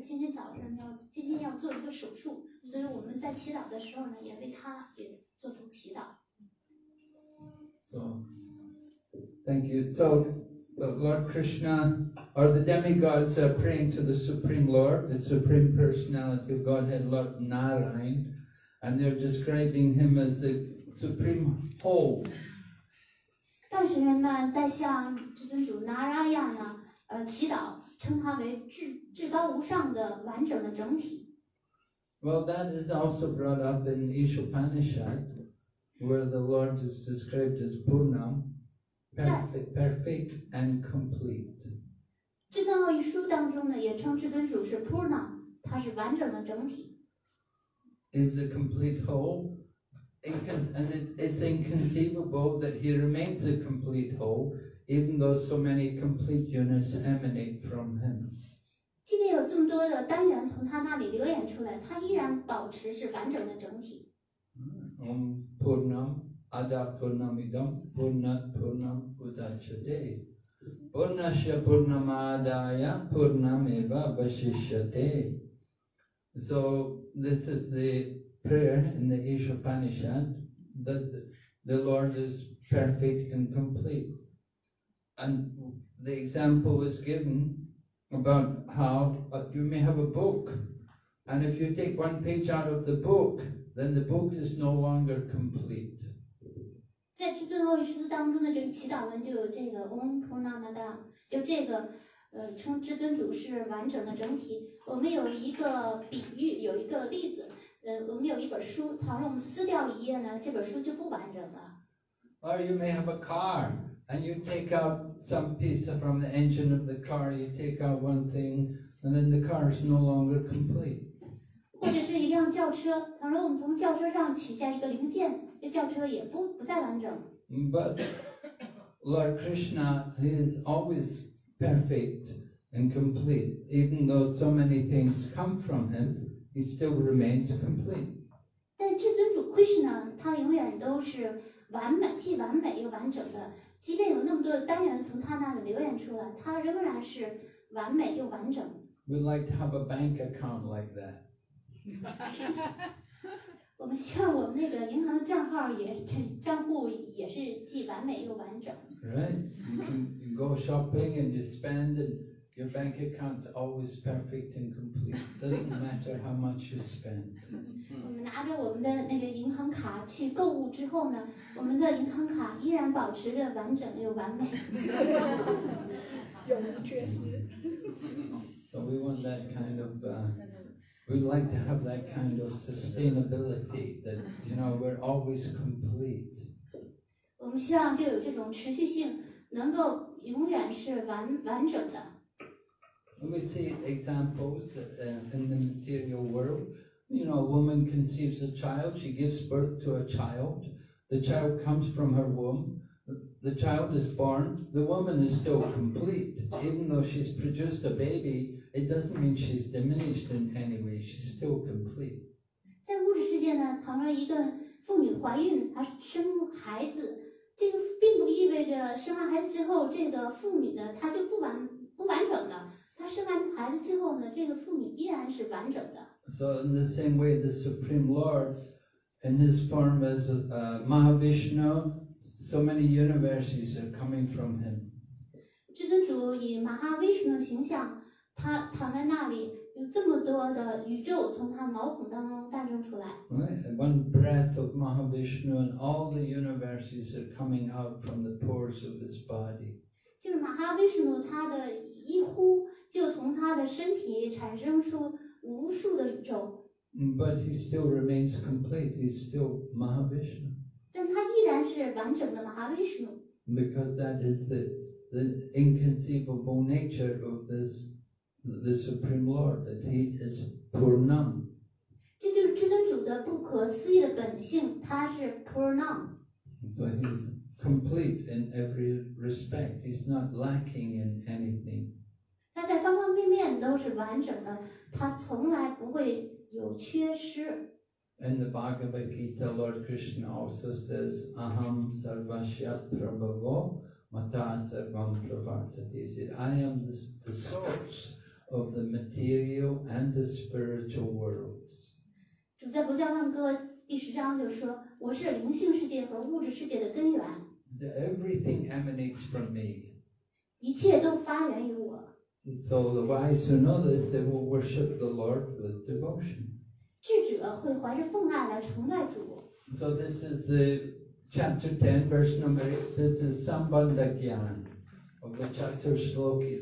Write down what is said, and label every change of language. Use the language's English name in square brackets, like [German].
[Chinese] 今天要做一个手术，所以我们在祈祷的时候呢，也为他也做出祈祷。 [English] So, thank you. So, Lord Krishna or the demigods are praying to the Supreme Lord, the Supreme Personality of Godhead, Lord Narayan, and they're describing him as the Supreme Whole. [Chinese] 但是人们在向至尊主拿拉亚呢，祈祷，称他为至高无上的完整的整体。 [English] Well, that is also brought up in Ishopanishad, where the Lord is described as Purnam, perfect and complete. [Chinese] 至尊奥义书当中呢，也称至尊主是 Purnam, 他是完整的整体。 [English] Is a complete whole. And it's inconceivable that he remains a complete whole, even though so many complete units emanate from him. [Chinese] 即便有这么多的单元从他那里流演出来，他依然保持是完整的整体。 [Sanskrit] Om Purnam Adapurnamidam Purnat Purnam Udachyate Purnasya Purnamadaya Purnameva Vashishyate. [English] So this is the. Prayer in the Ishopanishad that the Lord is perfect and complete. And the example is given about how you may have a book, and if you take one page out of the book, then the book is no longer complete. [Chinese] 在至尊奥义书当中的这个祈祷文就有这个 Om Purnamada, 就这个称至尊主是完整的整体。我们有一个比喻，有一个例子。我们有一本书，倘若我们撕掉一页呢，这本书就不完整了。 [English] Or you may have a car, and you take out some piece from the engine of the car. You take out one thing, and then the car is no longer complete. [Chinese] 或者是一辆轿车，倘若我们从轿车上取下一个零件，这轿车也不再完整。 [English] But Lord Krishna, he is always perfect and complete, even though so many things come from him. He still remains complete. [Chinese] 但至尊主 Krishna, 他永远都是完美，既完美又完整的。即便有那么多的单元从他那里流演出来，他仍然是完美又完整。 [English] We'd like to have a bank account like that. [Chinese] 我们希望我们那个银行的账号也账户也是既完美又完整。 [English] Right? You go shopping and you spend and. Your bank account is always perfect and complete. Doesn't matter how much you spend. [Chinese] 我们拿着我们的那个银行卡去购物之后呢，我们的银行卡依然保持着完整又完美，永无缺失。 [English] So we want that kind of, we'd like to have that kind of sustainability that, you know, we're always complete. [Chinese] 我们希望就有这种持续性，能够永远是完整的。 [English] And we see examples in the material world. You know, a woman conceives a child, she gives birth to a child. The child comes from her womb. the child is born, the woman is still complete. Even though she's produced a baby, it doesn't mean she's diminished in any way. She's still complete. [Chinese] 在物质世界呢，倘若一个妇女怀孕而生孩子，这个并不意味着生完孩子之后，这个妇女呢，她就不完整的。她生完孩子之后呢，这个妇女依然是完整的。 [English] So in the same way, the Supreme Lord, in His form as Mahavishnu, so many universes are coming from Him. [Chinese] 至尊主以马哈维什诺形象，他躺在那里，有这么多的宇宙从他毛孔当中诞生出来。 [English] Right, one breath of Mahavishnu, and all the universes are coming out from the pores of His body. [Chinese] 就是马哈维什诺，他的一呼就从他的身体产生出。无数的宇宙 [English] but he still remains complete. He's still Mahavishnu. [Chinese] 但他依然是完整的 Mahavishnu. [English] Because that is the inconceivable nature of the Supreme Lord, that he is Purnam. [Chinese] 这就是至尊主的不可思议的本性，他是 Purnam. [English] So he's complete in every respect. He's not lacking in anything. [Chinese] 他在方方面面都是完整的，他从来不会有缺失。 [English] In the Bhagavad Gita, Lord Krishna also says, [Sanskrit] "Aham sarvasya prabhavo mata sarvam pravartate." [English] He said, "I am the source of the material and the spiritual worlds." [Chinese] 主在《不教万歌》第十章就说：“我是灵性世界和物质世界的根源。 [English] ”Everything emanates from me. [Chinese] 一切都发源于我。 [English] So the wise who know this, they will worship the Lord with devotion. [Chinese] 智者会怀着奉爱来崇拜主。 [English] So this is the chapter 10, verse number 8. This is Sambandha Gyan of the Chatur Shloki.